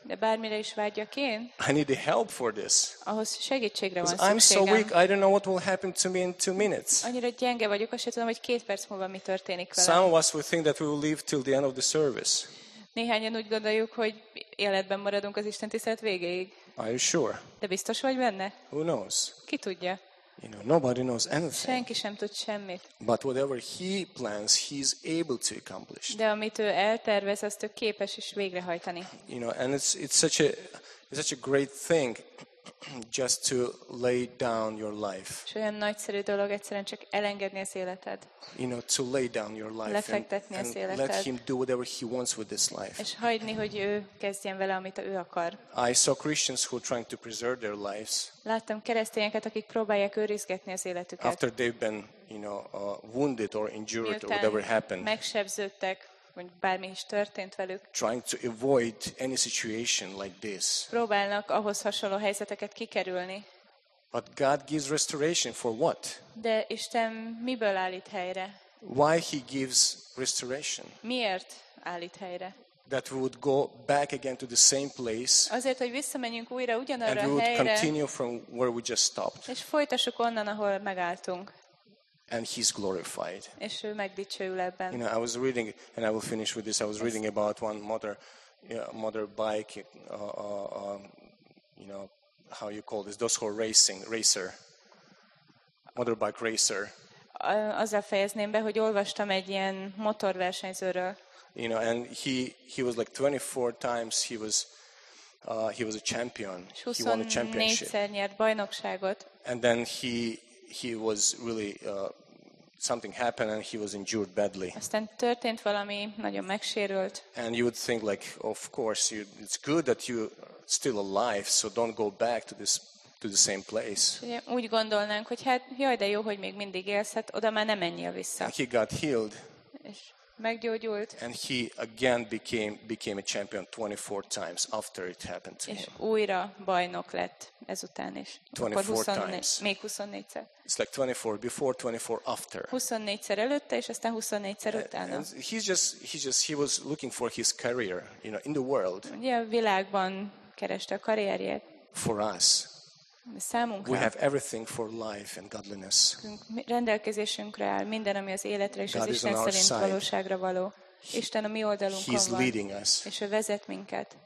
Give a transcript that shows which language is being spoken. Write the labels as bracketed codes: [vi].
[hu] de bármire is vágyjak én, [en] I need the help for this. [hu] Ahhoz segítségre van szükségem. [en] I'm so weak, I don't know what will happen to me in 2 minutes. [hu] Annyira gyenge vagyok, azt sem tudom, hogy 2 perc múlva mi történik velem. [en] Some of us will think that we will live till the end of the service. [hu] Néhányan úgy gondoljuk, hogy életben maradunk az Isten tisztelet végéig. [en] Are you sure? [hu] De biztos vagy benne? [en] Who knows? [hu] Ki tudja? [en] You know, nobody knows anything. [hu] Senki sem tud semmit. [en] But whatever he plans, he's able to accomplish. [hu] De amit ő eltervez, azt ő képes is végrehajtani. [en] You know, and it's such a great thing just to lay down your life. [hu] És olyan nagyszerű dolog egyszerűen csak elengedni az életed. [en] You know, to lay down your life. [hu] Lefektetni [en] and [hu] az életed. [en] Let him do whatever he wants with this life. [hu] És hagyni, hogy ő kezdjen vele, amit ő akar. [en] I saw Christians who are trying to preserve their lives. [hu] Láttam keresztényeket, akik próbálják őrizgetni az életüket. [en] After they've been, you know, wounded or injured or whatever happened. [hu] Megsebződtek, hogy bármi is történt velük. [en] Trying to avoid any situation like this. [hu] Próbálnak ahhoz hasonló helyzeteket kikerülni. [en] But God gives restoration for what? [hu] De Isten miből állít helyre? [en] Why he gives restoration? [hu] Miért állít helyre? [en] That we would go back again to the same place. [hu] Azért, hogy visszamenjünk újra ugyanarra helyre. [en] And we would continue from where we just stopped. [hu] És folytassuk onnan, ahol megálltunk. [en] And he's glorified. [hu] És ő megdicsőül ebben. [en] You know, I was reading, and I will finish with this. I was reading about one motor, motor bike, you know, how you call this? Those who are racing, racer, motorbike racer. [hu] Azzal fejezném be, hogy olvastam egy ilyen motorversenyzőről. [en] You know, and he was like 24 times he was a champion. He won a championship. [hu] 24-szer nyert bajnokságot. [en] And then he was really something happened and he was injured badly. [hu] Aztán történt valami, nagyon megsérült. [en] And you would think like, of course, it's good that you're still alive, so don't go back to this to the same place. [hu] Úgy gondolnánk, hogy hát, jaj, de jó, hogy még mindig élsz, hát oda már nem menjél vissza. [en] And he got healed. [hu] És meggyógyult. [en] And he again became a champion 24 times after it happened to him. [hu] És újra bajnok lett ezután is. [en] 24 times. It's like 24 before, 24 after. [hu] 24-szer előtte és aztán 24-szer utána. [en] He was looking for his career, you know, in the world. [hu] Ugye a világban kereste a karrierjét. [en] For us. [hu] Számunkra. [en] We have everything for life and godliness. [hu] Rendelkezésünkre áll minden, ami az életre és az Isten szerint valóságra való. Isten a mi oldalunkon van. [en] He's leading us. [hu] És ő vezet minket.